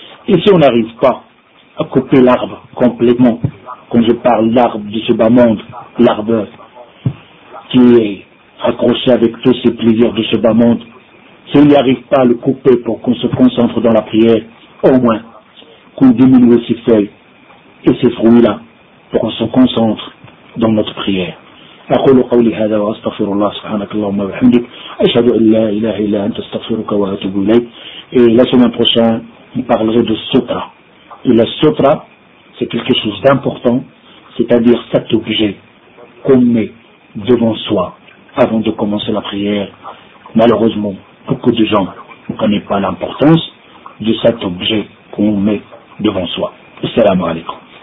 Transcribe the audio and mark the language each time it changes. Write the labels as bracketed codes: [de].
[fr] Et si on n'arrive pas à couper l'arbre complètement, quand je parle l'arbre du bas-monde, l'arbre qui est accroché avec tous ces plaisirs de ce bas-monde, si on n'arrive pas à le couper pour qu'on se concentre dans la prière, au moins qu'on diminue ses feuilles et ses fruits-là pour qu'on se concentre dans notre prière. [ar] أقول قولي هذا وأستغفر الله سبحانك اللهم وبحمدك أشهد أن لا إله إلا أنت أستغفرك وأتوب إليك. [fr] Et la semaine prochaine, on parlera de sutra. Et la sutra, c'est quelque chose d'important, c'est-à-dire cet objet qu'on met devant soi avant de commencer la prière. Malheureusement, beaucoup de gens ne connaissent pas l'importance de cet objet qu'on met devant soi. Assalamu alaikum.